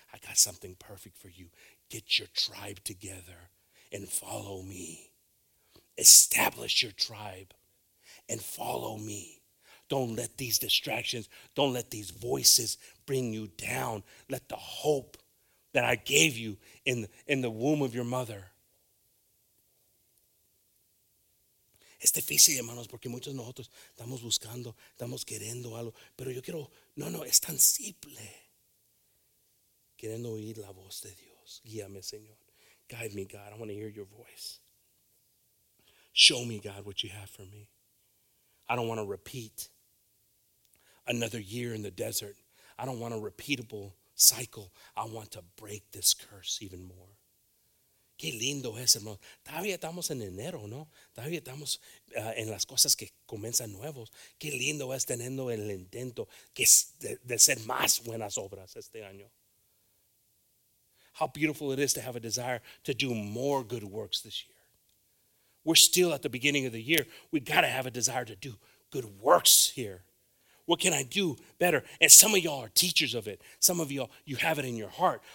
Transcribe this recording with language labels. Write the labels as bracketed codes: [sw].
[en] I got something perfect for you. Get your tribe together and follow me. Establish your tribe and follow me. Don't let these distractions, don't let these voices bring you down. Let the hope that I gave you in the womb of your mother. [es] Es difícil, hermanos, porque muchos de nosotros estamos buscando, estamos queriendo algo. Pero yo quiero, no, es tan simple. Queriendo oír la voz de Dios. Guíame, Señor. [en] Guide me, God. I want to hear your voice. Show me, God, what you have for me. I don't want to repeat another year in the desert. I don't want a repeatable cycle. I want to break this curse even more. [es] Qué lindo es, hermano. Todavía estamos en enero, ¿no? Todavía estamos en las cosas que comienzan nuevos. Qué lindo es teniendo el intento que es de hacer más buenas obras este año. [en] How beautiful it is to have a desire to do more good works this year. We're still at the beginning of the year. We got to have a desire to do good works here. What can I do better? And some of y'all are teachers of it. Some of y'all, you have it in your heart.